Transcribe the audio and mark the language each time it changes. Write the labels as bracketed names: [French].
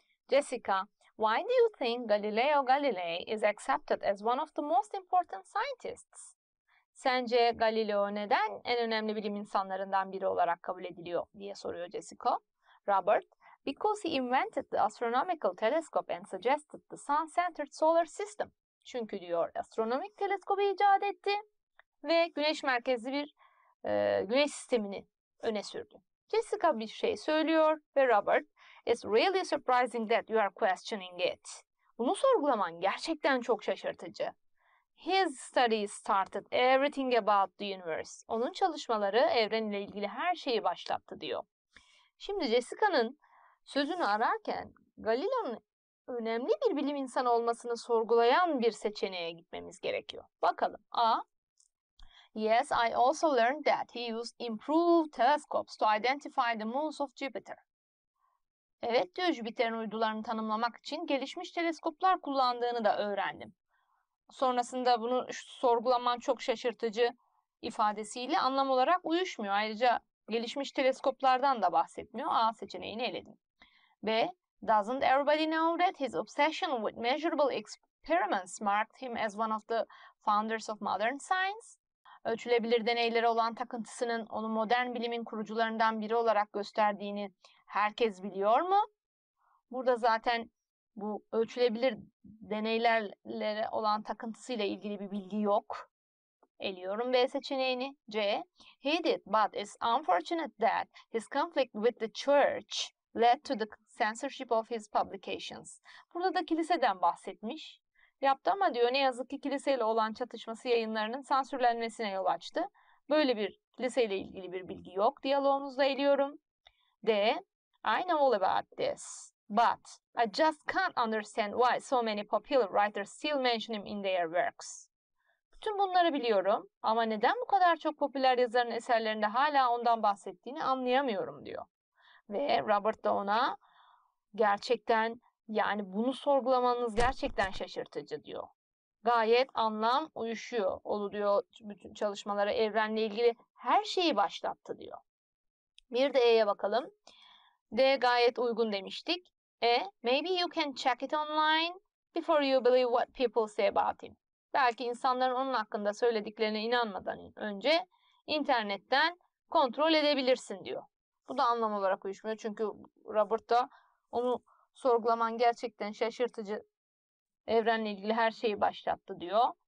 [English] Jessica, why do you think Galileo Galilei is accepted as one of the most important scientists? [Turkish] Sence Galileo neden en önemli bilim insanlarından biri olarak kabul ediliyor diye soruyor Jessica. [English] Robert, because he invented the astronomical telescope and suggested the sun-centered solar system. [Turkish] Çünkü diyor astronomik teleskobu icat etti ve güneş merkezli bir güneş sistemini öne sürdü. Jessica bir şey söylüyor ve [English] Robert, it's really surprising that you are questioning it. [Turkish] Bunu sorgulaman gerçekten çok şaşırtıcı. [English] His studies started everything about the universe. [Turkish] Onun çalışmaları evrenle ilgili her şeyi başlattı diyor. Şimdi Jessica'nın sözünü ararken Galileo'nun önemli bir bilim insanı olmasını sorgulayan bir seçeneğe gitmemiz gerekiyor. Bakalım. A. [English] Yes, I also learned that he used improved telescopes to identify the moons of Jupiter. [Turkish] Evet diyor, Jüpiter'in uydularını tanımlamak için gelişmiş teleskoplar kullandığını da öğrendim. Sonrasında bunu sorgulaman çok şaşırtıcı ifadesiyle anlam olarak uyuşmuyor. Ayrıca gelişmiş teleskoplardan da bahsetmiyor. A seçeneğini eledim. B. [English] Doesn't everybody know that his obsession with measurable experiments marked him as one of the founders of modern science? [Turkish] Ölçülebilir deneylere olan takıntısının onu modern bilimin kurucularından biri olarak gösterdiğini herkes biliyor mu? Burada zaten bu ölçülebilir deneylere olan takıntısıyla ilgili bir bilgi yok. Eliyorum B seçeneğini. C. [English] He did, but it's unfortunate that his conflict with the church led to the censorship of his publications. [Turkish] Burada da kiliseden bahsetmiş. Yaptı ama diyor ne yazık ki kiliseyle olan çatışması yayınlarının sansürlenmesine yol açtı. Böyle bir kiliseyle ilgili bir bilgi yok. Diyaloğumuzda eliyorum. D. [English] I know all about this, but I just can't understand why so many popular writers still mention him in their works. [Turkish] Bütün bunları biliyorum ama neden bu kadar çok popüler yazarın eserlerinde hala ondan bahsettiğini anlayamıyorum diyor. Ve Robert da ona gerçekten yani bunu sorgulamanız gerçekten şaşırtıcı diyor. Gayet anlam uyuşuyor. Olu diyor bütün çalışmalara evrenle ilgili her şeyi başlattı diyor. Bir de E'ye bakalım. D gayet uygun demiştik. [English] E, maybe you can check it online before you believe what people say about him. [Turkish] Belki insanların onun hakkında söylediklerine inanmadan önce internetten kontrol edebilirsin diyor. Bu da anlam olarak uyuşmuyor. Çünkü Robert da onu sorgulaman gerçekten şaşırtıcı, evrenle ilgili her şeyi başlattı diyor.